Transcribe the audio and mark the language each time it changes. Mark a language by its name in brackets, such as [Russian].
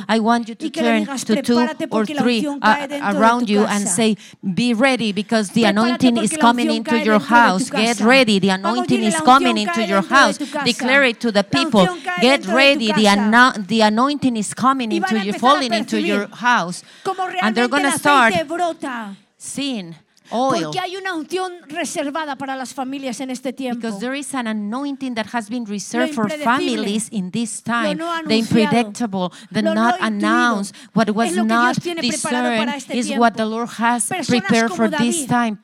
[English] I want you to turn to two or three around you and say, be ready because the anointing is coming into your house. Get ready. The anointing is coming into your house. Declare it to the people. Get ready. The anointing is coming into you, falling into your house, and they're going to start seeing oil. [Spanish] Porque hay una unción reservada para las familias en este tiempo. [English] Because there is an anointing that has been reserved for families in this time. The unpredictable, the not announced, what was not discerned is what the Lord has prepared for this time.